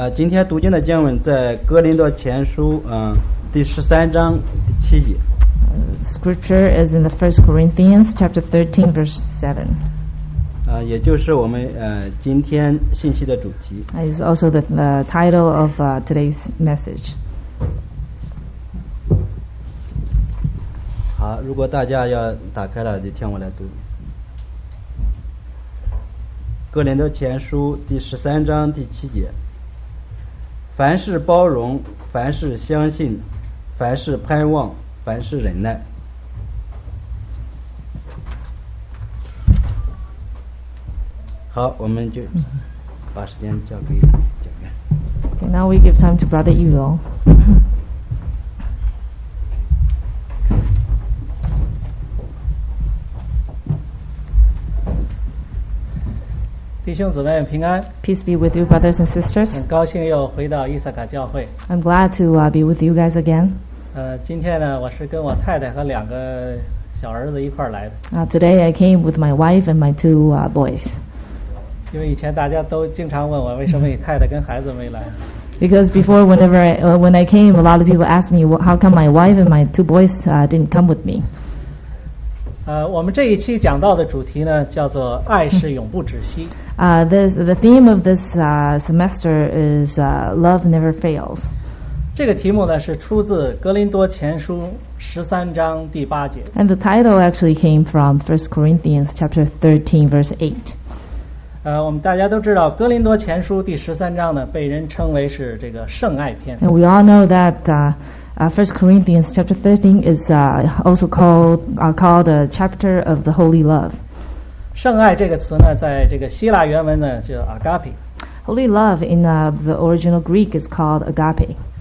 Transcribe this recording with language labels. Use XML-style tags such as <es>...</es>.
<zh>今天读经的经文在哥林多前书第十三章第七节。</zh> <en>Scripture is in the First Corinthians chapter 13 verse 7.</en> <zh>也就是我们今天信息的主题。</zh> <en>It's also the title of today's message.</en> <zh>好，如果大家要打开了，就听我来读。哥林多前书第十三章第七节：凡事包容，凡事相信，凡事盼望，凡事忍耐。好，我们就把时间交给姐妹。</zh> <en>Okay, now we give time to Brother Yu Long. Peace be with you, brothers and sisters.</en> <zh>很高兴又回到伊萨卡教会。</zh> <en>I'm glad to be with you guys again.</en> <zh>今天呢，我是跟我太太和两个小儿子一块来的。</zh> <en>Today I came with my wife and my two boys.</en> <zh>因为以前大家都经常问我为什么你太太跟孩子没来。</zh> <en>Because before, when I came, a lot of people asked me how come my wife and my two boys didn't come with me.</en> <zh>我们这一期讲到的主题呢，叫做“爱是永不止息”。</zh> <en>The theme of this semester is "Love Never Fails."</en> <zh>这个题目呢是出自《哥林多前书》十三章第八节。</zh> <en>And the title actually came from First Corinthians chapter 13, verse 8.</en> <zh>我们大家都知道，《哥林多前书》第十三章呢，被人称为是这个圣爱篇。</zh> <en>And we all know that. First Corinthians chapter 13 is also called the chapter of the holy love.</en> <zh>圣爱这个词呢，在这个希腊原文呢就 agape.</zh> <en>Holy love in the original Greek is called agape.</en>